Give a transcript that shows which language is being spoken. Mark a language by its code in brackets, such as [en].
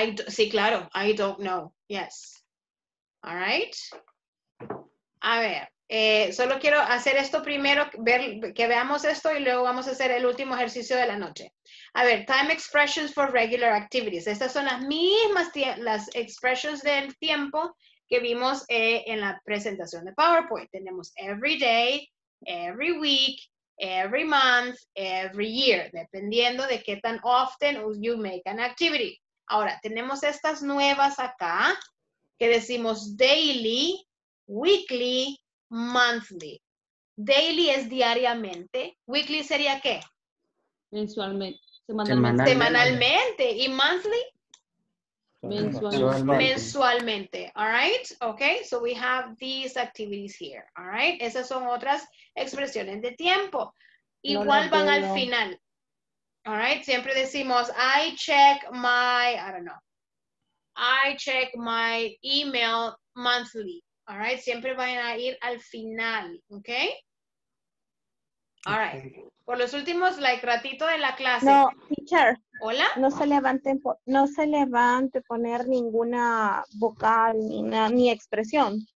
[en] Sí, claro. I don't know. Yes. All right. A ver. [es] Solo quiero hacer esto primero, ver que veamos esto y luego vamos a hacer el último ejercicio de la noche. A ver, time expressions for regular activities. Estas son las mismas las expressions del tiempo que vimos en la presentación de PowerPoint. Tenemos every day, every week, every month, every year, dependiendo de qué tan often you make an activity. Ahora, tenemos estas nuevas acá que decimos daily, weekly, monthly. Daily es diariamente. Weekly sería ¿qué? Mensualmente. Semanalmente. Semanalmente. ¿Y monthly? Mensualmente. [en] Mensualmente. All right. Okay. So we have these activities here. All right. [es] Esas son otras expresiones de tiempo. Igual van al final. All right. [en] Siempre decimos, I check my, I don't know. I check my email monthly. [es] All right, siempre van a ir al final, ¿ok? All right, por los últimos, like, ratito de la clase. No, teacher. ¿Hola? No se levante, no se levante poner ninguna vocal ni, na, ni expresión.